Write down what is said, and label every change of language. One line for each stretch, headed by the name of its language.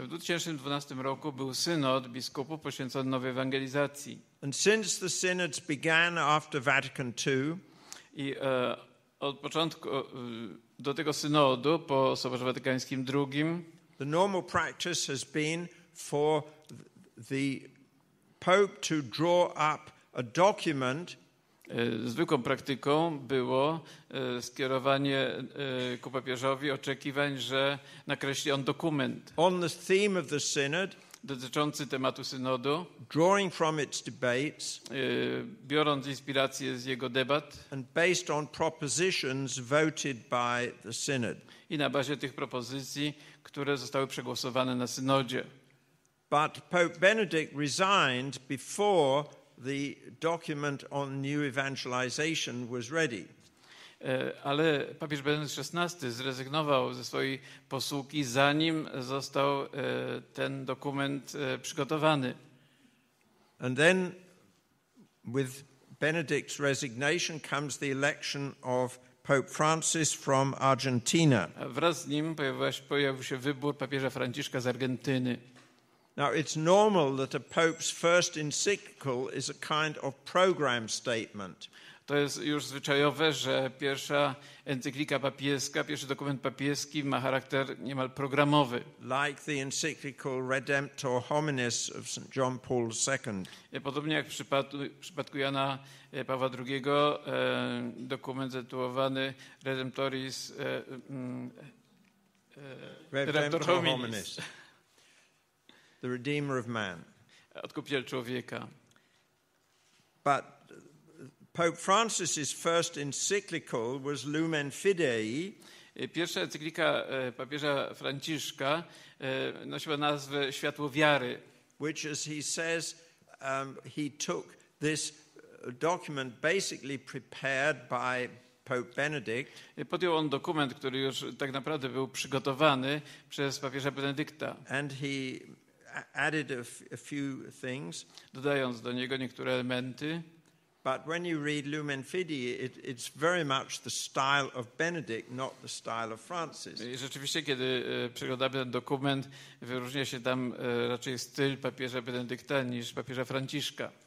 Polish: W 2012 roku był synod biskupów poświęcony nowej ewangelizacji.
English: And since the synods began after Vatican II,
Polish: i od początku do tego synodu po Soborze Watykańskim II,
English: the normal practice has been for the pope to draw up a document.
Polish: Zwykłą praktyką było skierowanie ku papieżowi oczekiwań, że nakreśli on dokument.
English: On the theme of the synod,
Polish: dotyczący tematu synodu,
English: drawing from its debates,
Polish: biorąc inspirację z jego debat,
English: and based on propositions voted by the synod.
Polish: I na bazie tych propozycji, które zostały przegłosowane na synodzie.
English: But Pope Benedict resigned before the document on new evangelization was ready.
Polish: Ale papież Benedykt XVI zrezygnował ze swojej posługi, zanim został ten dokument przygotowany.
English: And then with Benedict's resignation comes the election of Pope Francis from Argentina.
Polish: A wraz z nim pojawił się wybór papieża Franciszka z Argentyny.
English: Now it's normal that a pope's first encyclical is a kind of program statement.
Polish: To jest już zwyczajowe, że pierwsza encyklika papieska, pierwszy dokument papieski ma charakter niemal programowy.
English: Like the encyclical Redemptor Hominis of St. John Paul II.
Polish: Podobnie jak w przypadku Jana Pawła II, dokument zatytułowany Redemptoris
English: Redemptor Hominis. The Redeemer of Man.
Polish: Odkupiciel człowieka.
English: But Pope Francis's first encyclical was Lumen Fidei.
Polish: Pierwsza encyklika papieża Franciszka nosiła nazwę Światło Wiary,
English: which, as he says, he took this document basically prepared by Pope Benedict.
Polish: Podjął on dokument, który już tak naprawdę był przygotowany przez papieża Benedykta.
English: And he added a few things.
Polish: Dodając do niego niektóre elementy.
English: But when you read Lumen Fidei, it's very much the style of Benedict, not the style of Francis.
Polish: I rzeczywiście, kiedy przeglądamy ten dokument, wyróżnia się tam raczej styl papieża Benedykta niż papieża Franciszka.